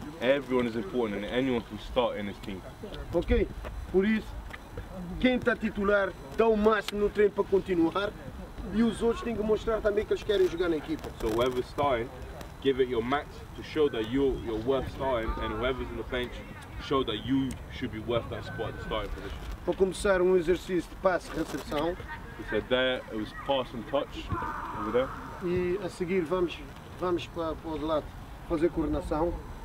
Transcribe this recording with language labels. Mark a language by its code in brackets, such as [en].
[en] Everyone is important and anyone can start in this team. [pt] Ok, por isso, quem está titular dá o máximo no treino para continuar e os outros têm que mostrar também que eles querem jogar na equipa. [en] So whoever's starting, give it your max to show that you're worth starting, and whoever's on the bench, show that you should be worth that spot, the starting position. [pt] Para começar um exercício de passe e recepção. [en] He said there, it was pass and touch over there. [pt] E a seguir vamos para o outro lado fazer coordenação.